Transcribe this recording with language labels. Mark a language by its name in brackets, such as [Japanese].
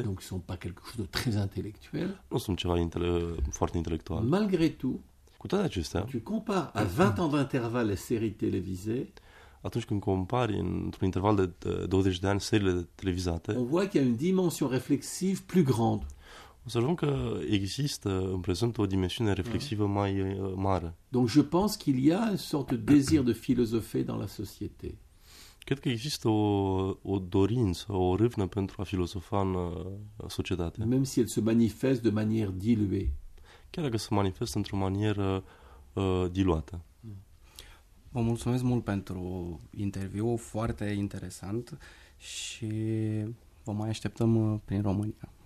[French] Donc ce sont pas quelque chose de très intellectuel. [Romanian] Nu sunt ceva foarte intelectual. [French] Malgré tout. [Romanian] Cu toate acestea. [French] Tu compares à 20 ans d'intervalle les séries télévisées. [Romanian] Atunci când compari într-un interval de 20 de ani seriile televizate. [French] On voit qu'il y a une dimension réflexive plus grande. [Romanian] Observăm că există în prezent o dimensiune reflexivă mai mare. [French] Donc je pense qu'il y a une sorte de désir de philosopher dans la société. [Romanian] Cred că există o dorință, o râvnă pentru a filosofa în societate. [French] Même si elle se manifeste de manière diluée. [Romanian] Chiar dacă se manifestă într-o manieră diluată. Vă mulțumesc mult pentru interviu, foarte interesant și vă mai așteptăm prin România.